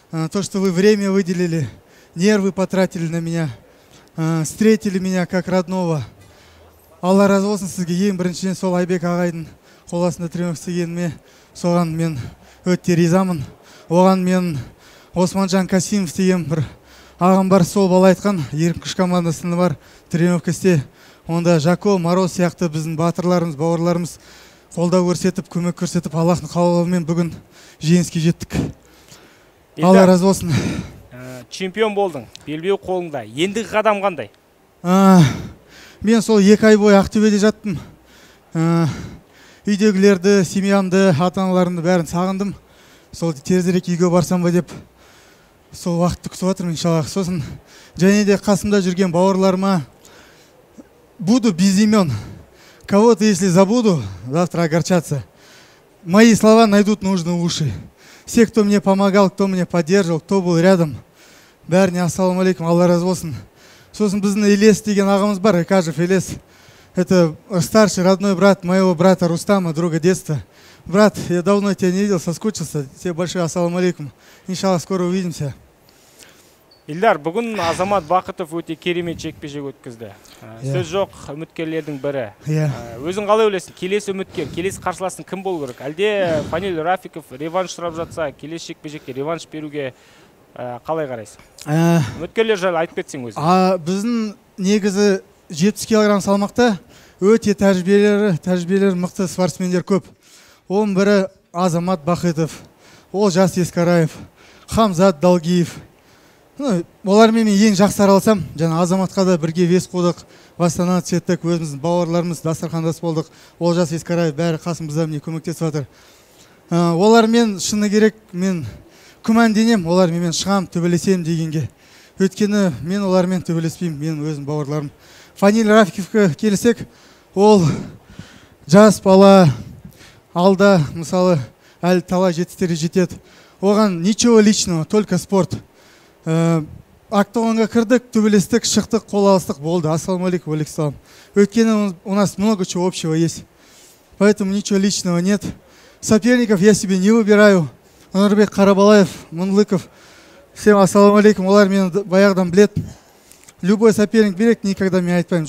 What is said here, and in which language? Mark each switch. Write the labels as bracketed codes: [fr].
[ru] То, что вы время выделили, нервы потратили на меня, встретили меня как родного. [kk] Алла разы болсын сізге, ең біріншіден сол Айбек ағайдың қол астында тренировка істегеніме, соған мен өте ризамын. Оған мен Османжан Касимов деген бір ағам бар, сол бала айтқан, еркін күш командасында бар тренировка істе. Онда Жако, Мороз сияқты біздің батырларымыз, бауырларымыз қолдау көрсетіп, көмек көрсетіп, Аллахтың қалауымен бүгін жеңіске жеттік. Алла разы болсын. Чемпион болдың, белбеу қолыңда. Ендігі қадам қандай? Мен сол екі ай бойы Ақтөбеде жаттым. Үйдегілерді, семьямды, ата-аналарымды бәрін сағындым. Сол терезірек үйге барсам ба деп сол уақытты күтіп отырмын иншаллах. Сосын және де қасымда жүрген бауырларыма [ru] буду без имен. Кого-то если забуду, завтра огорчаться. Мои слова найдут нужные уши. Все, кто мне помогал, кто мне поддерживал, кто был рядом. [kk] Бәріне ассалам алейкум, Алла разы болсын. Сосын біздің Елес деген ағамыз бар, Кажев Елес. [ru] Это старший родной брат моего брата Рустама, друга детства. Брат, я давно тебя не видел, соскучился. Тебе большое ассалам алейкум. Иншаллах, скоро увидимся. [kk] Ильдар, бүгін Азамат Бақытов өте керемет жекпе-жек өткізді. Сөз жоқ, үміткерлердің бірі. Өзің қалай ойлайсың, келесі үміткер, келесі қарсыласың кім болу керек? Әлде Фанил Рафиков реванш сұрап жатса, келесі жекпе-жекке реванш беруге қалай қарайсың? Үміткерлер жайлы айтып кетсең өзің. Біздің негізі 70 килограмм салмақта өте тәжірибелер мықты спортсмендер көп. Оның бірі Азамат Бақытов, Олжас Ескараев, Хамзат Далгиев. Олармен мен ең жақсы араласам, жаңа Азаматқа да бірге вес қудық, бастан-аяқ істеттік, өзіміздің бауырларымыз дастархандас болдық. Олжас Ескараев бәрі қасымызда міне көмектесіп жатыр. Олармен шыны керек мен күмәнденем, олармен мен шығам, төбелесем дегенге. Өйткені мен олармен төбелеспеймін, мен өзімнің бауырларым. Фанил Рафиковқа келсек, ол жас бала, алда мысалы әлі талай жетістіктерге жетеді. [ru] Оған ничего личного, только спорт. [kk] Октагонға кірдік, төбелестік, шықтық, қол алыстық болды. Ассалам алейкум, алейкум. [ru] Өйткені у нас много чего общего есть. Поэтому ничего личного нет. Соперников я себе не выбираю. Нұрбек Қарабалаев, Мұнлыков. Всем ассалам алейкум. [kk] Олар мені баяғыдан біледі. [ru] Любой соперник [kk] берек, [ru] никогда [kk] мен айтпаймын.